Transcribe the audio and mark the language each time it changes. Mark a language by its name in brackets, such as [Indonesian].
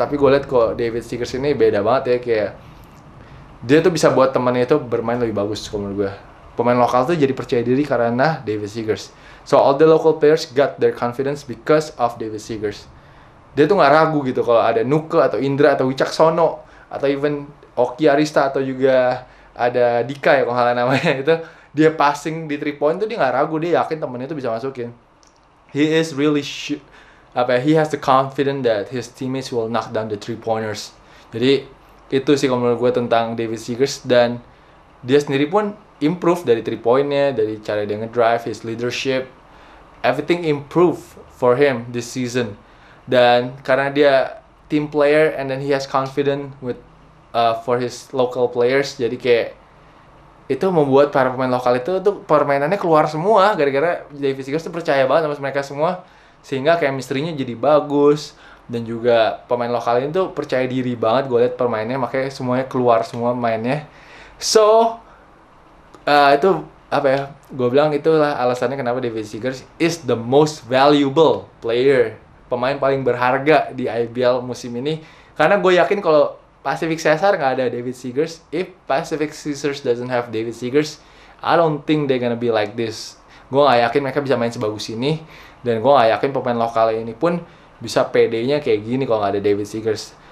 [Indonesian] Tapi gue liat kok David Seegers ini beda banget ya, kayak dia tuh bisa buat temannya itu bermain lebih bagus. Menurut gue pemain lokal tuh jadi percaya diri karena David Seegers. [English] So all the local players got their confidence because of David Seegers. [Indonesian] Dia tuh gak ragu gitu kalau ada Nuke atau Indra atau Wicaksono atau even Oki Arista atau juga ada Dika ya kalau halnya namanya itu. Dia passing di 3 point tuh dia gak ragu, dia yakin temennya tuh bisa masukin. [English] He is really he has the confidence that his teammates will knock down the 3 pointers. [Indonesian] Jadi itu sih kalau menurut gue tentang David Seegers. Dan dia sendiri pun improve dari 3 point-nya, dari cara dia ngedrive, [English] his leadership, everything improve for him this season. [Indonesian] Dan karena dia [English] team player and then he has confidence with for his local players, [Indonesian] jadi kayak itu membuat para pemain lokal itu tuh permainannya keluar semua gara-gara David Seegers tuh percaya banget sama mereka semua, sehingga chemistry-nya jadi bagus. Dan juga pemain lokal ini tuh percaya diri banget, gue liat permainannya, makanya semuanya keluar semua mainnya. So itu apa ya, gue bilang itulah alasannya kenapa David Seegers [English] is the most valuable player, [Indonesian] pemain paling berharga di IBL musim ini. Karena gue yakin kalau Pacific Cesar gak ada David Seegers, [English] if Pacific Cesar doesn't have David Seegers, I don't think they gonna be like this. [Indonesian] Gue gak yakin mereka bisa main sebagus ini, dan gue gak yakin pemain lokal ini pun bisa PD-nya kayak gini kalau gak ada David Seegers.